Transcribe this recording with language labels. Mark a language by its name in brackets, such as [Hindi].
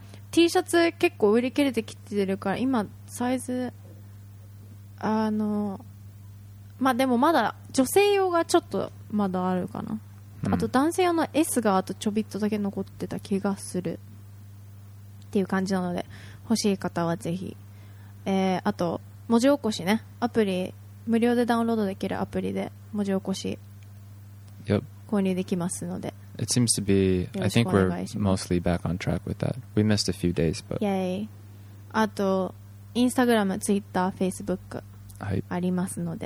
[Japanese] T シャツ結構売り切れてきてるから今サイズまあでもまだ女性用がちょっとまだあるかな、うん、あと男性用の S があとちょびっとだけ残ってた気がするっていう感じなので、欲しい方はぜひ、あと文字起こしね、アプリ無料でダウンロードできるアプリで文字起こし購入できますので、 [English] It seems to be I think we're mostly back on track with that. We missed a few days but yay。 [Japanese] あとインスタグラム、ツイッター、フェイスブックありますので、